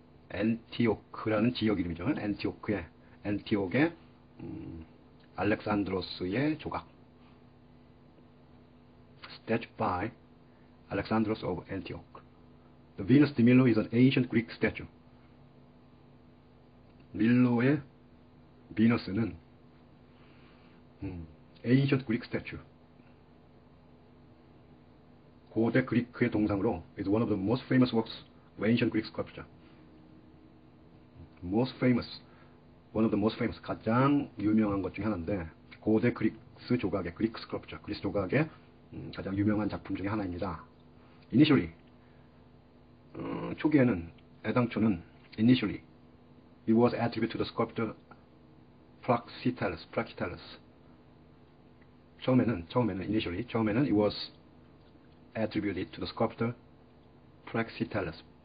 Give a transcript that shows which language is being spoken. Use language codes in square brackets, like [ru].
[ko] 엔티오크라는 지역 이름이죠. 엔티오크의 알렉산드로스의 조각. [en] Statue by Alexandros of Antioch. The Venus de Milo is an ancient Greek statue. [ko] 밀로의 비너스는 [en] ancient Greek statue. [ko] 고대 그리스의 동상으로 [en] is one of the most famous works of ancient Greek sculpture. Most famous, one of the most famous, [ko] 가장 유명한 것 중에 하나인데, 고대 그리스 조각의, 그리스 스컬프처, 그리스 조각의 가장 유명한 작품 중에 하나입니다. [en] Initially, [ko] 초기에는, 애당초는, [en] initially, it was attributed to the sculptor Praxiteles. [ko] 처음에는, [en] it was attributed to the sculptor Praxiteles.